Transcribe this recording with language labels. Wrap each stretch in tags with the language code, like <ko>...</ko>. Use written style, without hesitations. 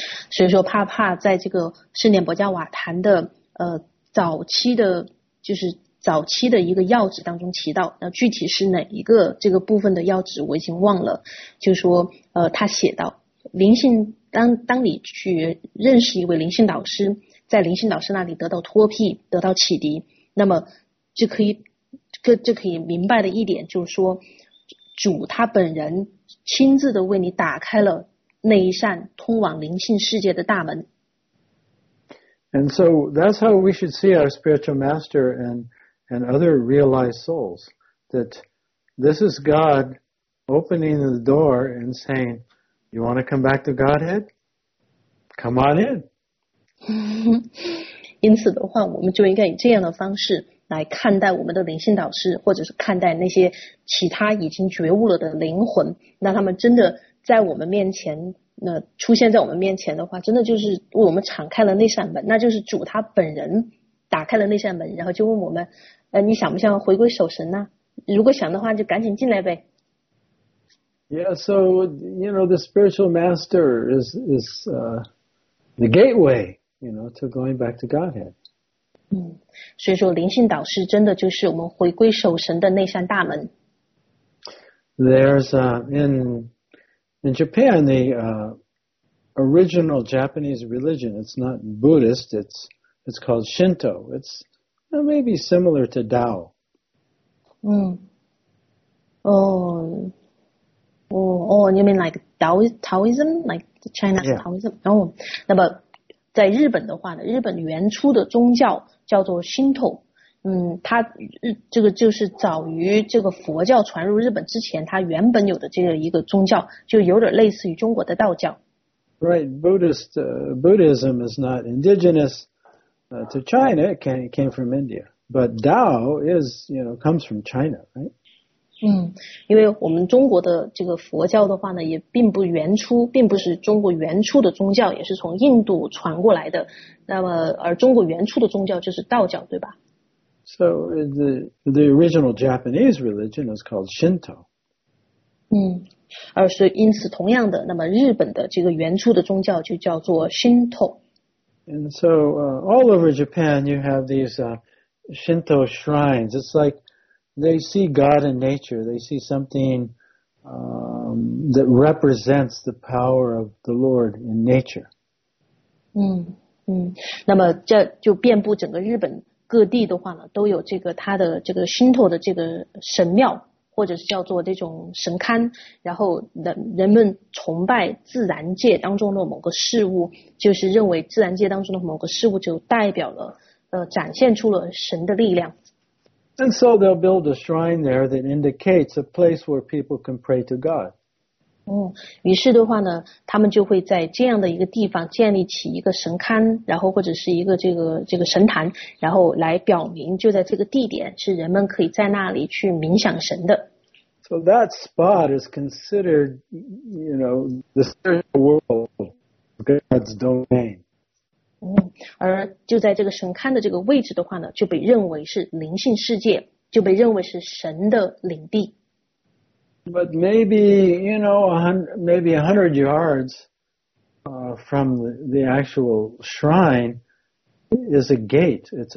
<zh>所以说帕帕在这个圣典薄伽瓦坛的早期的，就是早期的一个要旨当中提到，那具体是哪一个这个部分的要旨我已经忘了，就说他写到灵性，当你去认识一位灵性导师，在灵性导师那里得到脱辟，得到启迪，那么就可以明白的一点就是说，主他本人亲自的为你打开了那一扇通往灵性世界的大门。</zh> <en>And so that's how we should see our spiritual master and other realized souls, that this is God opening the door and saying, you want to come back to Godhead? Come on in.</en> <zh>因此的话，我们就应该以这样的方式来看待我们的灵性导师，或者是看待那些其他已经觉悟了的灵魂，那他们真的在我们面前那出现在我们面前的话，真的就是为我们敞开了那扇门，那就是主他本人打开了那扇门，然后就问我们，你想不想回归守神呢？如果想的话，就赶紧进来呗。</zh> <en>Yeah, so you know the spiritual master is the gateway, you know, to going back to Godhead.</en> <zh>嗯，所以说灵性导师真的就是我们回归守神的那扇大门。</zh> <en>There's In Japan, the original Japanese religion, it's not Buddhist, it's called Shinto. It's maybe similar to Tao. 嗯，哦，哦，哦 ，You mean like Taoism, like China Taoism?</en> <zh>然后，那么在日本的话呢，日本原初的宗教叫做 Shinto。嗯，它这个就是早于这个佛教传入日本之前，它原本有的这个一个宗教，就有点类似于中国的道教。</zh> <en>Right, Buddhist Buddhism is not indigenous. To China, it came from India. But Tao is, you know, comes from China, right?</en> <zh>嗯，因为我们中国的这个佛教的话呢，也并不原初，并不是中国原初的宗教，也是从印度传过来的。那么，而中国原初的宗教就是道教，对吧？</zh> <en>So the original Japanese religion is called Shinto.</en> <zh>嗯，而是因此同样的，那么日本的这个原初的宗教就叫做 Shinto。</zh> <en>And so all over Japan, you have these Shinto shrines. It's like they see God in nature. They see something that represents the power of the Lord in nature.</en> <zh>嗯嗯，那么这就遍布整个日本各地的话呢，都有这个他的这个 Shinto 的这个神庙，或者是叫做这种神龛，然后人们崇拜自然界当中的某个事物，就是认为自然界当中的某个事物就代表了展现出了神的力量。</zh> <en>And so they'll build a shrine there that indicates a place where people can pray to God.</en> <zh>嗯，于是的话呢，他们就会在这样的一个地方建立起一个神龛，然后或者是一个这个神坛，然后来表明就在这个地点是人们可以在那里去冥想神的。</zh> <en>So that spot is considered, you know, the spiritual world, God's domain.</en> <zh>嗯，而就在这个神龛的这个位置的话呢，就被认为是灵性世界，就被认为是神的领地。</zh> <en>But maybe, you know, maybe 100 yards from the actual shrine is a gate.</en>